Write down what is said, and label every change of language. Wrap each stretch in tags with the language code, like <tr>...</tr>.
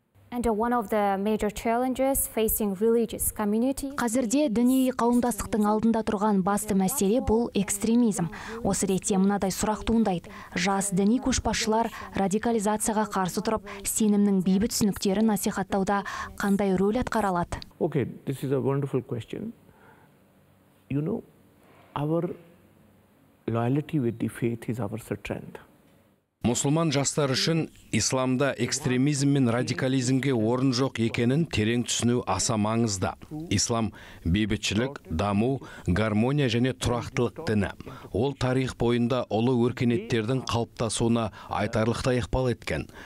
<en>And one of the major challenges facing religious communities.</en> <kk>Қазірде діни қауымдастықтың алдында тұрған басты мәселе бұл экстремизм. Осы ретте мынадай сұрақ туындайды. Жас діни көшбасшылар радикализацияға қарсы тұрып, сенімнің бейбіт түсініктерін насихаттауда қандай рөл атқара алады?</kk> <en>Okay, this is a wonderful question. You know, our loyalty with the faith is our strength.</en> <kk>Мұсылман жастар үшін исламда экстремизм мен радикализмге орын жоқ екенін терең түсіну аса маңызды. Ислам бейбітшілік, даму, гармония және тұрақтылық діні. Ол тарих бойында ұлы өркениеттердің қалыптасуына айтарлықтай ықпал еткен.</kk>